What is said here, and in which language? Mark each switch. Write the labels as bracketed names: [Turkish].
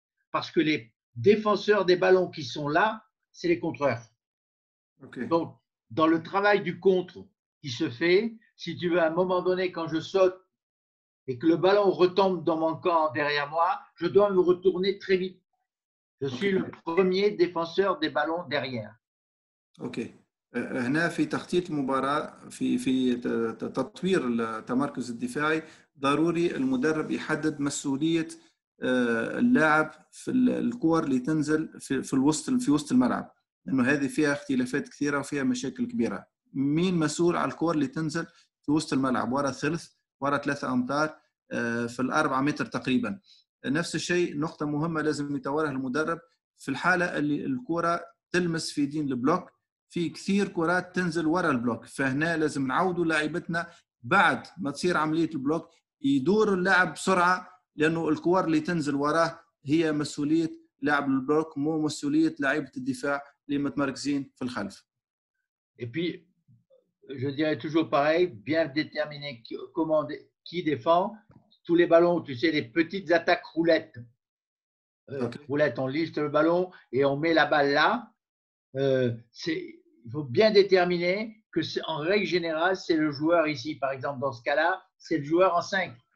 [French] Parce que les défenseurs des ballons qui sont là, c'est les contreurs. Okay. Donc, dans le travail du contre qui se fait, si tu veux, à un moment donné, quand je saute et que le ballon retombe dans mon camp derrière moi, je dois me retourner très vite. Je suis okay. Le premier défenseur des ballons derrière. [English] OK. [Arabic] هنا في تخطيط مباراة في تطوير التمركز الدفاعي ضروري المدرب يحدد مسؤولية اللاعب في الكور اللي تنزل في وسط الملعب لانه هذه فيها اختلافات كثيره وفيها مشاكل كبيره مين مسؤول على الكور اللي تنزل في وسط الملعب ورا ثلث ورا ثلاثة امتار في الأربعة متر تقريبا نفس الشيء نقطه مهمه لازم يتورها المدرب في الحاله اللي الكره تلمس في يدين البلوك في كثير كرات تنزل ورا البلوك فهنا لازم نعودوا لاعبتنا بعد ما تصير عمليه البلوك يدور اللاعب بسرعه لانه الكور اللي تنزل وراه هي مسؤوليه لاعب البلوك مو مسؤوليه لعيبه الدفاع اللي متمركزين في الخلف. [French] Et puis, je dirais toujours pareil, bien déterminer qui défend tous les ballons, tu sais, les petites attaques roulettes. Okay. Roulettes, on lifte le ballon et on met la balle là, il faut bien déterminer que, en règle générale, c'est le joueur ici, par exemple, dans ce cas-là, c'est le joueur en 5.